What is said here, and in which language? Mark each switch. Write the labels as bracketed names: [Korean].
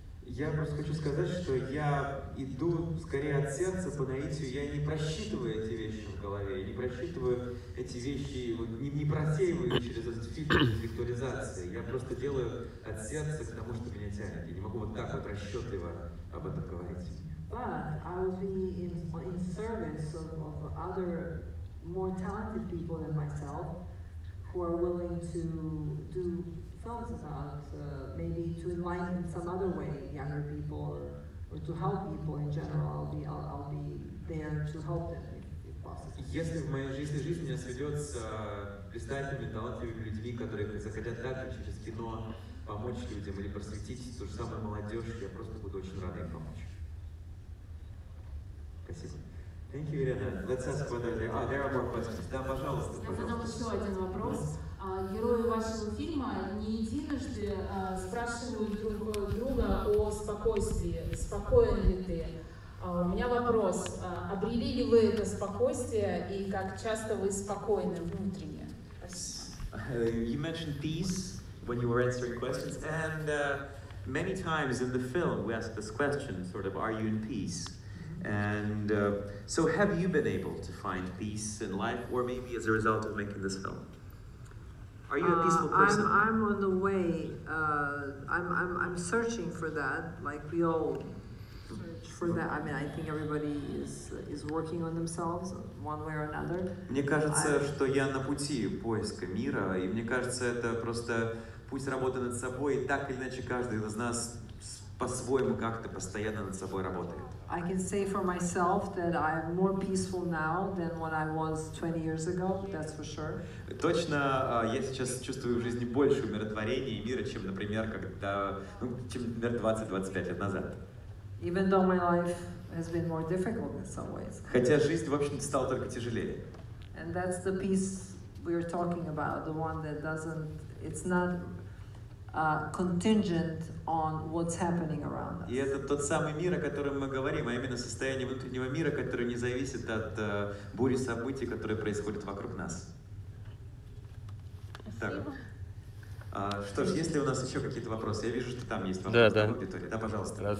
[Russian] Я просто хочу сказать, что я иду скорее от сердца по наитию, я не просчитываю эти вещи в голове, не просчитываю эти вещи, не просеиваю через этот фильтр, через виртуализацию. Я просто делаю от сердца к тому, что меня тянет. Я не могу вот так расчетливо об этом говорите. [English] But I would be in service of other more talented people than myself who are willing to do films about maybe to enlighten some other way younger people or to help people in general. I'll be there to help them. [Russian] Если в моей жизни меня сведется блистательными, талантливыми людьми, которые захотят также через кино помочь людям или просветить ту же самую молодежь, я просто буду очень рад им помочь. Спасибо. [English] Thank you, Irina. Let's ask whether there are more questions. [Russian] Да, пожалуйста. Я задам еще один вопрос. Герои вашего фильма не единожды спрашивают друг друга о спокойствии. Спокоен ли ты? У меня вопрос. Обрели ли вы это спокойствие и как часто вы спокойны внутренне? [English] You mentioned peace when you were answering questions, and many times in the film we ask this question, sort of, are you in peace? And so have you been able to find peace in life, or maybe as a result of making this film? Are you a peaceful person? I'm on the way. I'm searching for that, like we all for that. I mean, I think everybody is working on themselves one way or another. [Russian] Мне кажется, что я на пути поиска мира, и мне кажется, это просто путь работы над собой, и так или иначе каждый из нас по-своему как-то постоянно над собой работает. [English] I can say for myself that I'm more peaceful now than when I was 20 years ago, that's for sure. [Russian] Точно, я сейчас чувствую в жизни больше умиротворения и мира, чем, например, когда, чем, например, 20-25 лет назад. [English] Even though my life has been more difficult in some ways. [Russian] Хотя жизнь, в общем-то, стала только тяжелее. [English] And that's the peace we are talking about, the one that doesn't, it's not contingent on what's happening around us. [Russian] И это тот самый мир, о котором мы говорим, а именно состояние внутреннего мира, которое не зависит от бури событий, которые происходят вокруг нас. Спасибо. Так. Что ж, если у нас еще какие-то вопросы, я вижу, что там есть вопросы в аудитории. Да, пожалуйста.